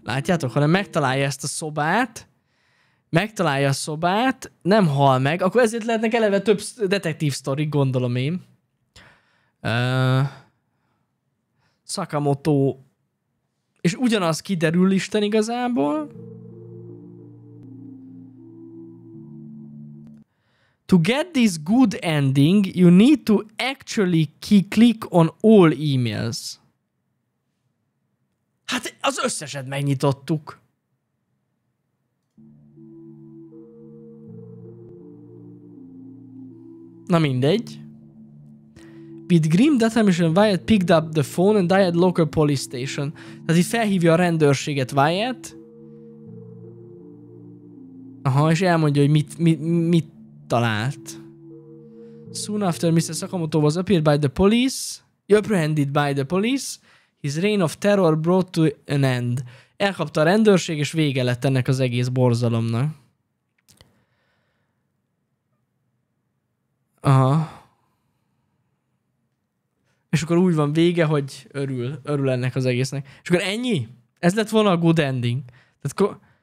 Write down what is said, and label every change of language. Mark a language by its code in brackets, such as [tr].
[hu] Látjátok, hanem megtalálja ezt a szobát. Megtalálja a szobát, nem hal meg. Akkor ezért lehetnek eleve több detektív sztori, gondolom én. Sakamoto... És ugyanaz kiderül Isten igazából. [en] To get this good ending, you need to actually click on all emails. [hu] Hát az összeset megnyitottuk. Na mindegy. [en] With grim determination, Wyatt picked up the phone and dialed local police station. [hu] Tehát így felhívja a rendőrséget Wyatt. Aha, és elmondja, hogy mit talált. [en] Soon after Mr. Sakamoto was appeared by the police, apprehended by the police, his reign of terror brought to an end. [hu] Elkapta a rendőrség, és vége lett ennek az egész borzalomnak. Aha. És akkor úgy van vége, hogy örül ennek az egésznek. És akkor ennyi? Ez lett volna a [en] good ending. [hu] Tehát akkor...